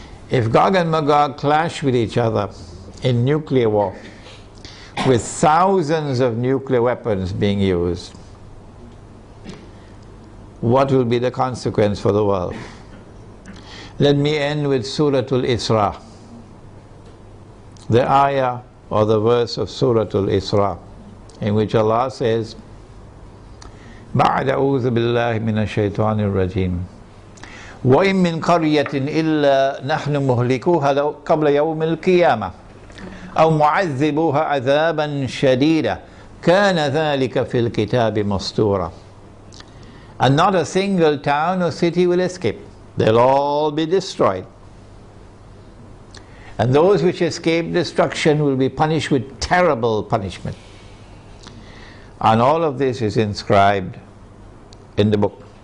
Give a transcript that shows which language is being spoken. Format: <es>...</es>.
<en>If Gog and Magog clash with each other in nuclear war with thousands of nuclear weapons being used, what will be the consequence for the world? Let me end with Surah Al-Isra. The ayah or the verse of Surah Al-Isra, in which Allah says,</en> <ar>بَعْدَ أُوذُ بِاللَّهِ مِنَ الشَّيْطَانِ الرَّجِيمِ وَإِن مِّن قَرْيَةٍ إِلَّا نَحْنُ مُهْلِكُوهَا قَبْلَ يَوْمِ الْقِيَامَةِ أَوْ مُعَذِّبُوهَا عَذَابًا شَدِيدًا كَانَ ذَلِكَ فِي الْكِتَابِ مَسْطُورًا.</ar> <en>And not a single town or city will escape. They'll all be destroyed. And those which escape destruction will be punished with terrible punishment. And all of this is inscribed in the book.</en>